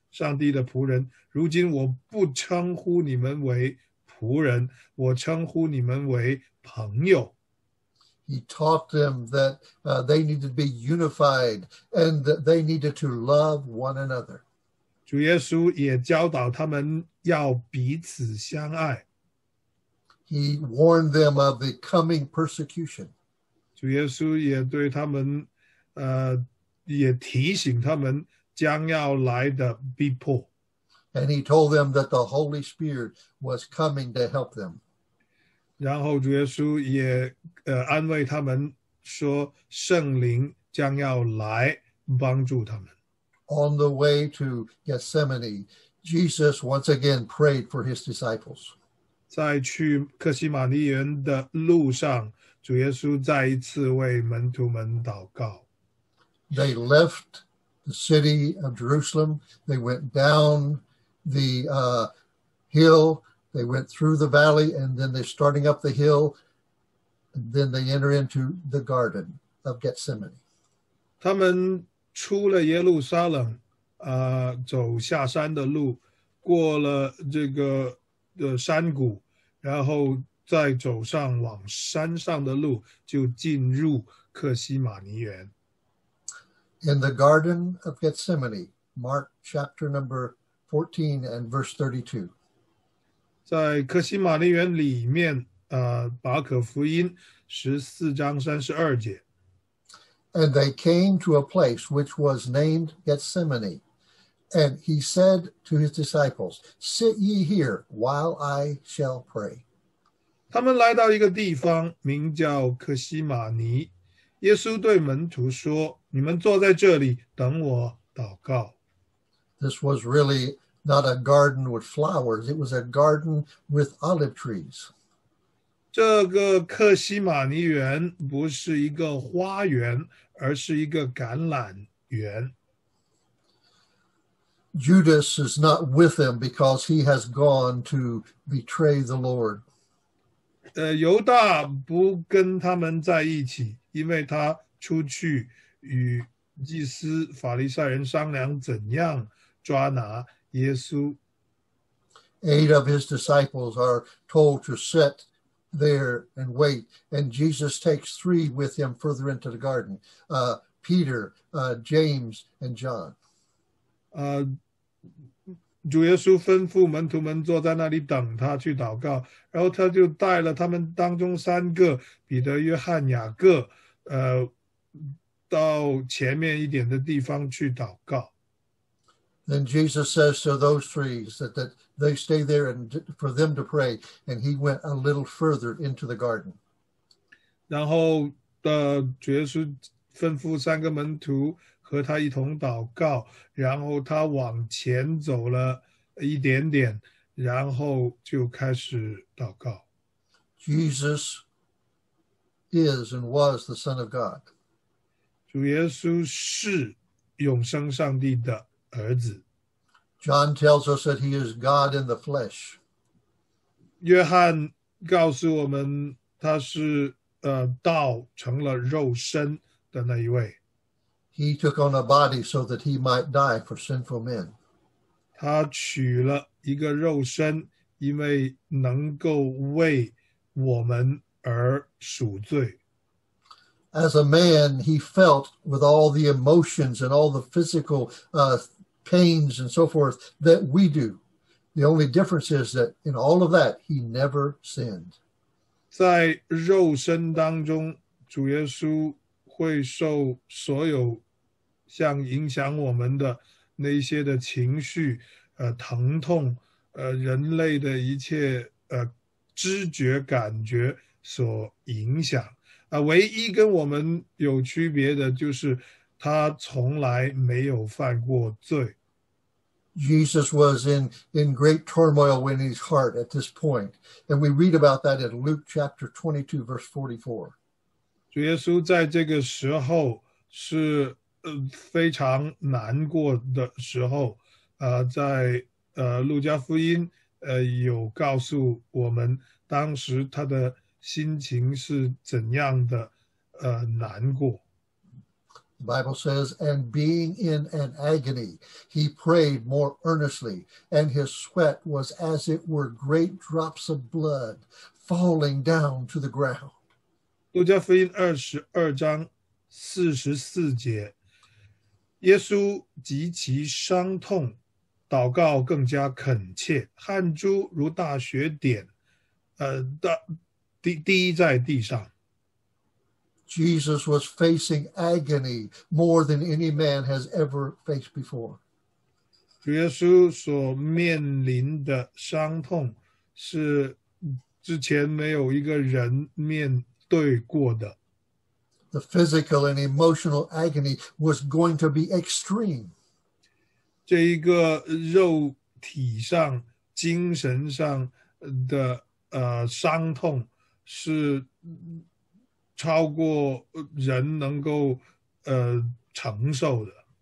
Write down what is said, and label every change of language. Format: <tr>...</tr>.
<zh>上帝的仆人，如今我不称呼你们为仆人，我称呼你们为朋友。</zh> <en>He taught them that they needed to be unified and that they needed to love one another.</en> <zh>主耶稣也教导他们要彼此相爱。</zh> <en>He warned them of the coming persecution.</en> <zh>主耶稣也对他们，也提醒他们将要来的逼迫。</zh> <en>And he told them that the Holy Spirit was coming to help them.</en> <zh>然后主耶稣也安慰他们说圣灵将要来帮助他们。</zh> <en>On the way to Gethsemane, Jesus once again prayed for his disciples.</en> <zh>在去客西马尼园的路上，主耶稣再一次为门徒们祷告。</zh> <en>They left the city of Jerusalem, they went down the hill, they went through the valley, and then they're starting up the hill, and then they enter into the Garden of Gethsemane.</en> <zh>他们出了耶路撒冷，走下山的路，过了这个山谷，然后再走上往山上的路，就进入客西马尼园。</zh> <en>In the Garden of Gethsemane, Mark chapter number 14 and verse 32.</en> <zh>在客西马尼园里面，马可福音十四章三十二节。</zh> <en>And they came to a place which was named Gethsemane. And he said to his disciples, "Sit ye here while I shall pray."</en> <zh>他们来到一个地方，名叫客西马尼。耶稣对门徒说，你们坐在这里等我祷告。</zh> <en>This was really not a garden with flowers. It was a garden with olive trees.</en> <zh>这个客西马尼园不是一个花园，而是一个橄榄园。</zh> <en>Judas is not with them because he has gone to betray the Lord.</en> <zh>犹大不跟他们在一起，因为他出去与祭司法利赛人商量怎样抓拿耶稣。</zh> <en>Eight of his disciples are told to sit there and wait, and Jesus takes three with him further into the garden, Peter, James, and John.</en> <zh>主耶稣吩咐门徒们坐在那里等他去祷告，然后他就带了他们当中三个，彼得、约翰、雅各，到前面一点的地方去祷告。</zh> <en>Then Jesus says to those three that they stay there and for them to pray, and he went a little further into the garden.</en> <zh>然后主耶稣吩咐三个门徒和他一同祷告，然后他往前走了一点点，然后就开始祷告。</zh> <en>Jesus is and was the Son of God.</en> <zh>主耶稣是永生上帝的儿子。</zh> <en>John tells us that he is God in the flesh.</en> <zh>约翰告诉我们他是道成了肉身的那一位。</zh> <en>He took on a body so that he might die for sinful men.</en> <zh>他取了一个肉身，因为能够为我们而赎罪。</zh> <en>As a man, he felt with all the emotions and all the physical pains and so forth that we do. The only difference is that in all of that, he never sinned.</en> <zh>在肉身当中，主耶稣会受所有像影响我们的那些的情绪、疼痛、人类的一切、知觉感觉所影响。唯一跟我们有区别的就是他从来没有犯过罪。</zh> <en>Jesus was in great turmoil in his heart at this point. And we read about that in Luke chapter 22, verse 44.</en> <zh>主耶稣在这个时候是非常难过的时候，在路加福音有告诉我们当时他的心情是怎样的难过。</zh> <en>The Bible says, and being in an agony, he prayed more earnestly, and his sweat was as it were great drops of blood falling down to the ground.</en> <zh>路加福音二十二章四十四节，耶稣极其伤痛，祷告更加恳切，汗珠如大雪点，滴在地上。</zh> <en>Jesus was facing agony more than any man has ever faced before.</en> <zh>主耶稣所面临的伤痛是之前没有一个人面对过的。</zh> <en>The physical and emotional agony was going to be extreme.</en> <zh>这一个肉体上、精神上的伤痛是超过人能够承受的。</zh>